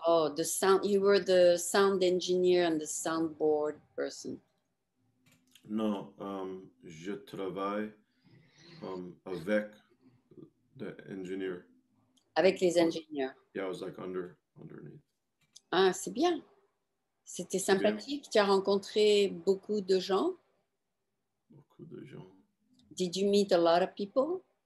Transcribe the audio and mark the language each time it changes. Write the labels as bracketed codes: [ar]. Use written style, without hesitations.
[en] Oh, the sound, you were the sound engineer and the soundboard person. [fr] Non, je travaille avec [en] the engineer. [fr] Avec les ingénieurs. [en] Yeah, I was like underneath. [fr] Ah, c'est bien. C'était sympathique, tu as rencontré beaucoup de gens. De gens. [en] Did you meet a lot of people?